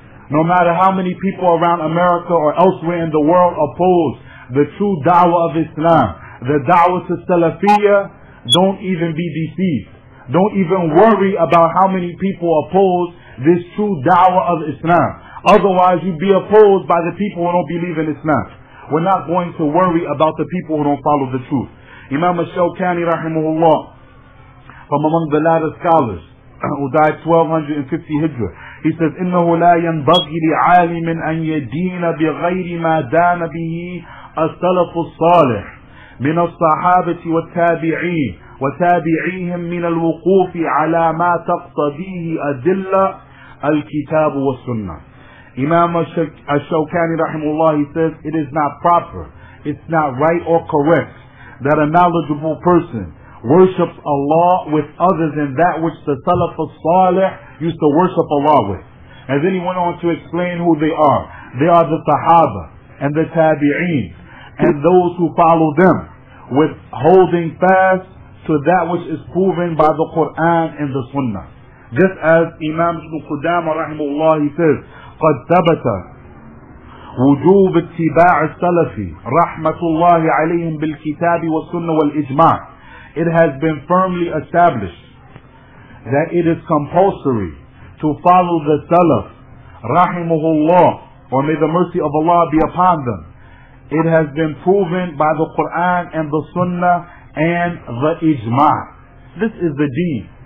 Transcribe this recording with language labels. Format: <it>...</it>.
<en>No matter how many people around America or elsewhere in the world oppose the true da'wah of Islam, the da'wah to Salafiyya, don't even be deceived. Don't even worry about how many people oppose this true da'wah of Islam. Otherwise, you'd be opposed by the people who don't believe in Islam. We're not going to worry about the people who don't follow the truth. Imam al-Shawkani, rahimahullah, from among the latter scholars, who died 1250 Hijra, he says,</en> <ar>إِنَّهُ لَا يَنْبَغِي لِعَالِمٍ أَنْ يَدِينَ بِغَيْرِ مَا دَانَ بِهِ أَسْتَلَفُ الصَّالِحِ مِنَ الصَّحَابَةِ وَالتَّابِعِينَ وَتَابِعِيهِمْ مِنَ الْوُقُوفِ عَلَى مَا تَقْتَدِيهِ أَدِلَّ الْكِتَابُ وَالسُّنَّةِ.</ar> <en>Imam al-Shawkani rahimullah, he says, it is not proper, it's not right or correct that a knowledgeable person worships Allah with other than that which the Salaf al-Salih used to worship Allah with. And then he went on to explain who they are. They are the Sahaba and the Tabi'een and those who follow them with holding fast to that which is proven by the Quran and the Sunnah. Just as Imam Ibn Qudama rahimahullah, he says,</en> <ar>قَدْ ثَبَتَ وُجُوبِ اتِّبَاعِ السَّلَفِ رَحْمَةُ اللَّهِ عَلَيْهِمْ بِالْكِتَابِ وَالسُنَّةِ وَالْإِجْمَاعِ.</ar> <en>It has been firmly established that it is compulsory to follow the Salaf, rahimahullah, or may the mercy of Allah be upon them. It has been proven by the Quran and the Sunnah and the Ijma'. This is the deen.</en>